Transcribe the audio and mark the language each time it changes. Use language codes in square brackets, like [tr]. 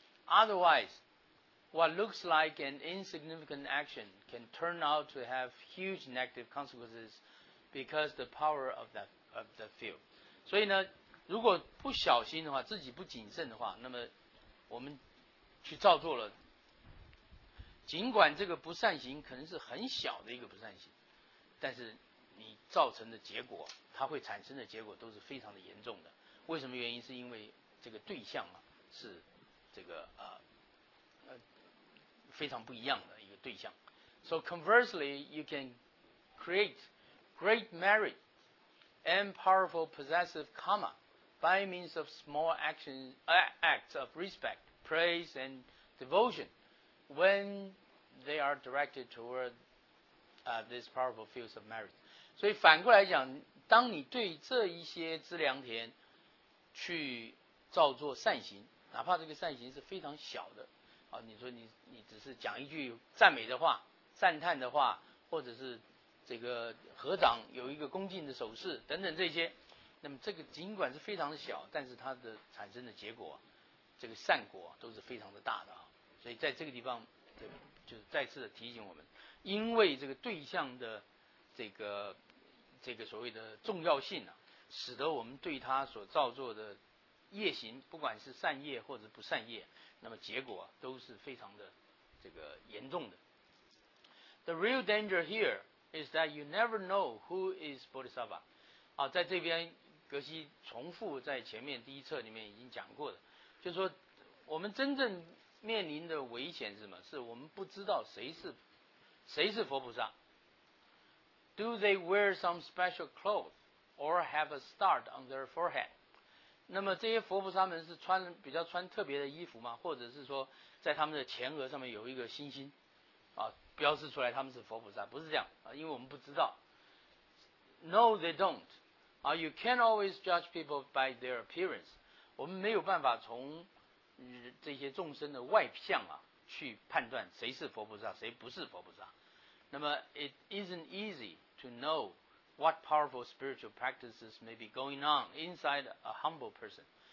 [en] Otherwise, what looks like an insignificant action can turn out to have huge negative consequences because the power of the field. [zh] 所以呢，如果不小心的话，自己不谨慎的话，那么我们去造作了，尽管这个不善行可能是很小的一个不善行，但是你造成的结果，它会产生的结果都是非常的严重的。为什么原因？是因为这个对象啊是这个非常不一样的一个对象。 [en] So conversely, you can create great merit and powerful possessive karma by means of small acts of respect, praise and devotion when they are directed toward these powerful fields of merit. [zh] 所以反过来讲，当你对这一些资粮田去造作善行，哪怕这个善行是非常小的，啊，你说你只是讲一句赞美的话、赞叹的话，或者是这个合掌有一个恭敬的手势等等这些，那么这个尽管是非常的小，但是它的产生的结果，这个善果都是非常的大的啊。所以在这个地方，就再次的提醒我们，因为这个对象的这个所谓的重要性啊，使得我们对他所造作的业行，不管是善业或者不善业，那么结果都是非常的这个严重的。 [en] The real danger here is that you never know who is Bodhisattva. [zh] 啊，在这边格西重复在前面第一册里面已经讲过的，就是说我们真正面临的危险是什么？是我们不知道谁是佛菩萨。 [en] Do they wear some special clothes or have a star on their forehead? [zh] 那么这些佛菩萨们是穿特别的衣服吗？或者是说在他们的前额上面有一个星星啊，标示出来他们是佛菩萨，不是这样，因为我们不知道。 [en] No, they don't. You can't always judge people by their appearance. [zh] 我们没有办法从这些众生的外相啊去判断谁是佛菩萨，谁不是佛菩萨。那么 [en] ，it isn't easy to know what powerful spiritual practices may be going on inside a humble person.